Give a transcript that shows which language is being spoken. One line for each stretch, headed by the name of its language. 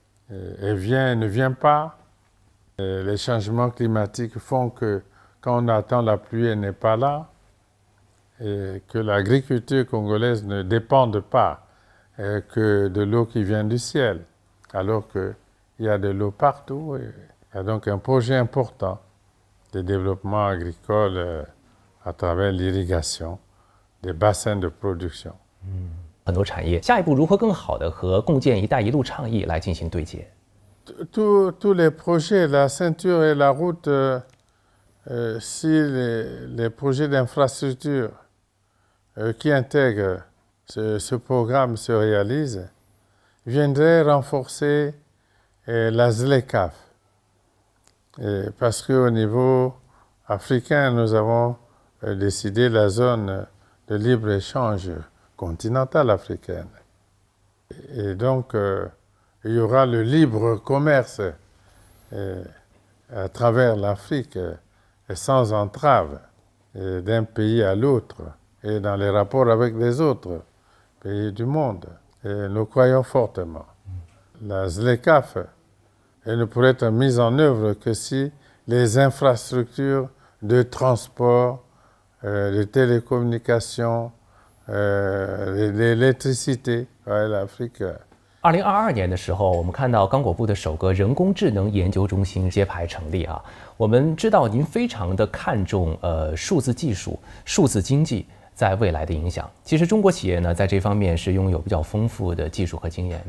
French: Elle ne vient pas. Les changements climatiques font que quand on attend la pluie, elle n'est pas là, et que l'agriculture congolaise ne dépende pas que de l'eau qui vient du ciel, alors qu'il y a de l'eau partout. Il y a donc un projet important de développement agricole à travers l'irrigation des bassins de production.
Chinese: 很多产业，下一步如何更好地和共建“一带一路”倡议来进行对接？
French: Tous les projets, la ceinture et la route, si les projets d'infrastructure qui intègrent ce programme se réalisent, viendraient renforcer la ZLECAF. Parce qu'au niveau africain, nous avons décidé la zone de libre-échange continentale africaine. Et donc,il y aura le libre commerce à travers l'Afrique sans entrave d'un pays à l'autre et dans les rapports avec les autres pays du monde. Et nous croyons fortement. La ZLECAF elle ne pourrait être mise en œuvre que si les infrastructures de transport, de télécommunications, d'électricité, l'Afrique.
Chinese: 2022年的时候，我们看到刚果部的首个人工智能研究中心揭牌成立啊。我们知道您非常的看重数字技术、数字经济在未来的影响。其实中国企业呢，在这方面是拥有比较丰富的技术和经验。